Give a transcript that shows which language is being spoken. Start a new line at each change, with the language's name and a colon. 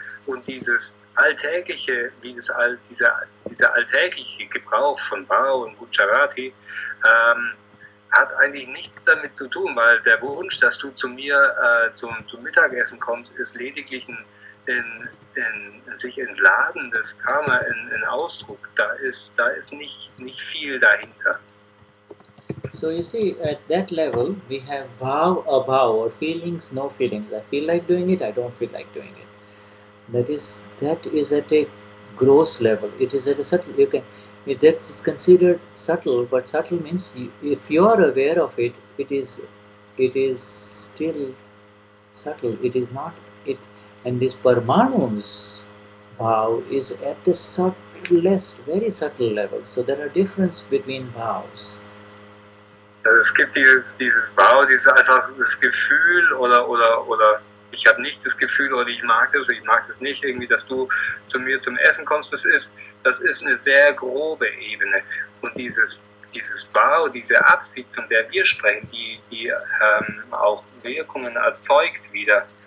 German: Und dieses alltägliche, dieser alltägliche Gebrauch von Bhav und Gujarati hat eigentlich nichts damit zu tun, weil der Wunsch, dass du zu mir zum Mittagessen kommst, ist lediglich ein sich entladendes Karma, ein Ausdruck. Da ist nicht viel dahinter.
English: So you see, at that level we have Bhav, Abhav, or feelings, no feelings. I feel like doing it, I don't feel like doing it. That is at a gross level. It is at a subtle, that is considered subtle, but subtle means if you are aware of it, it is still subtle. It is not it. And this Parmanu's Bhav is at the subtlest, very subtle level. So there are difference between Bhavs.
German: Es gibt dieses Bau, dieses einfach das Gefühl oder ich habe nicht das Gefühl oder ich mag das nicht irgendwie, dass du zu mir zum Essen kommst. Das ist eine sehr grobe Ebene. Und dieses Bau, diese Absicht, von der wir sprechen, die auch Wirkungen erzeugt wieder,